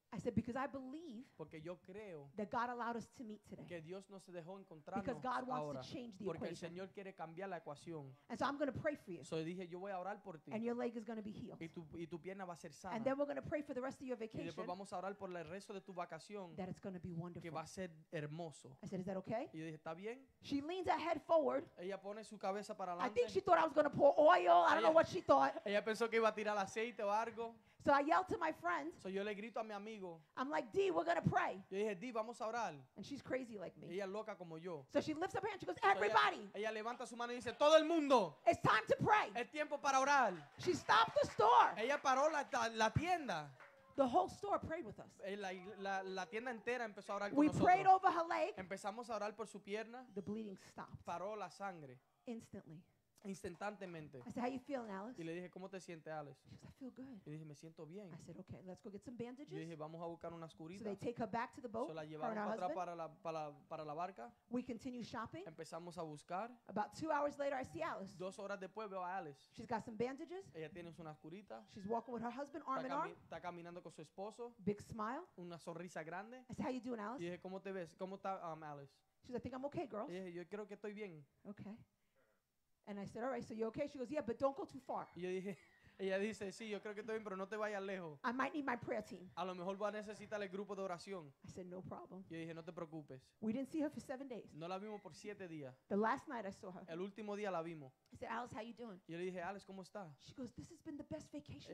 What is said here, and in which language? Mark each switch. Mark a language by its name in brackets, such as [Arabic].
[English] I said, because I believe [Spanish] porque yo creo [English] that God allowed us to meet today. [Spanish] Que Dios no se dejó encontrarnos [English] because God wants [Spanish] ahora. [English] To change the [Spanish] porque [English] equation. [Spanish] El Señor quiere cambiar la ecuación. [English] And so I'm going to pray for you. [Spanish] So dije, yo voy a orar por ti. [English] And your leg is going to be healed. [Spanish] Y tu pierna va a ser sana. [English] And then we're going to pray for the rest of your vacation. [Spanish] Y después vamos a orar por el resto de tu vacación. [English] That it's going to be wonderful. [Spanish] Que va a ser hermoso. [English] I said, is that okay? [Spanish] Y yo dije, ¿está bien? [English] She leans her head forward. [Spanish] Ella pone su cabeza para adelante. [English] I think she thought I was going to pour oil. I don't know what she thought. [Spanish] Ella pensó que iba a tirar aceite o algo. [English] So I yell to my friend. [Spanish] So yo le grito a mi amigo. [English] I'm like, D, we're going to pray. [Spanish] Yo dije, D, vamos a orar. [English] And she's crazy like me. [Spanish] Ella loca como yo. [English] So she lifts up her hand. She goes, everybody. [Spanish] Ella levanta su mano y dice, todo el mundo. [English] It's time to pray. [Spanish] Es tiempo para orar. [English] She stopped the store. [Spanish] Ella paró la tienda. [English] The whole store prayed with us. [Spanish] La tienda entera empezó a orar con [English] we [Spanish] nosotros. [English] Prayed over her leg. [Spanish] Empezamos a orar por su pierna. [English] The bleeding stopped. [Spanish] Paró la sangre. [English] Instantly. [Spanish] Instantáneamente. [English] I said, "How you feeling, Alex?" [Spanish] Y le dije, "¿Cómo te sientes, Alex?" [English] She goes, "I feel good." [Spanish] Y dije, "Me siento bien." [English] I said, "Okay, let's go get some bandages." [Spanish] Y dije, "Vamos a buscar unas curitas." [English] So they take her back to the boat. [Spanish] So la llevaron para atrás para la barca. [English] We continue shopping. [Spanish] Empezamos a buscar. [English] About 2 hours later, I see Alex. [Spanish] 2 horas después veo a Alex. [English] She's got some bandages. [Spanish] Ella tiene unas curitas. [English] She's walking with her husband, arm in arm. [Spanish] Está caminando con su esposo. [English] Big smile. [Spanish] Una sonrisa grande. [English] I said, "How you doing, Alex?" [Spanish] Y dije, "¿Cómo te ves? ¿Cómo está, Alex?" [English] She goes, "I think I'm okay, girls." [Spanish] Y dije, "Yo creo que estoy bien." [English] Okay. And I said, "All right, so you're okay?" She goes, "Yeah, but don't go too far." [Spanish] Y dije, ella dice, "Sí, yo creo que estoy bien, pero no te vayas lejos." [English] I might need my prayer team. [Spanish] A lo mejor voy a necesitar el grupo de oración. [English] I said, "No problem." [Spanish] Y dije, "No te preocupes." [English] We didn't see her for 7 days. [Spanish] No la vimos por 7 días. [English] The last night I saw her. [Spanish] El último día la vimos. [English] I said, "Alex, how you doing?" [Spanish] Y dije, "Alex, ¿cómo está?" [English] She goes, "This has been the best vacation